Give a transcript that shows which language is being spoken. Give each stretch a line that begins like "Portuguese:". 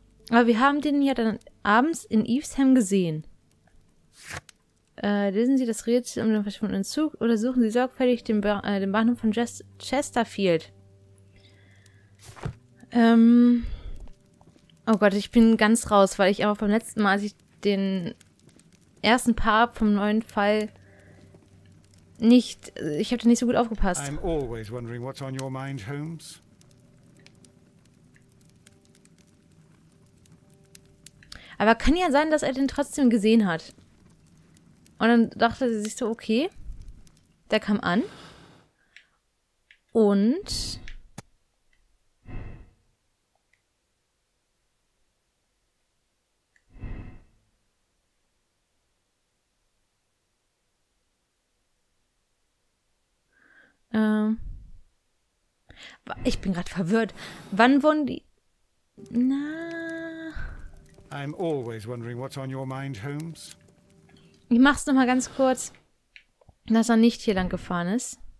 German: Aber wir haben den ja dann abends in Evesham gesehen. Lesen Sie das Rätsel um den verschwundenen Zug oder suchen Sie sorgfältig den, den Bahnhof von Chesterfield. Oh Gott, ich bin ganz raus, weil ich aber beim letzten Mal, als ich den ersten Part vom neuen Fall nicht... Ich habe da nicht so gut aufgepasst.
English: I'm always wondering what's on your mind, Holmes.
German: Aber kann ja sein, dass er den trotzdem gesehen hat. Und dann dachte sie sich so, okay, der kam an und ich bin gerade verwirrt. Wann wurden die? Na.
English: I'm always wondering what's on your mind, Holmes.
German: Ich mach's nochmal ganz kurz, dass er nicht hier lang gefahren ist.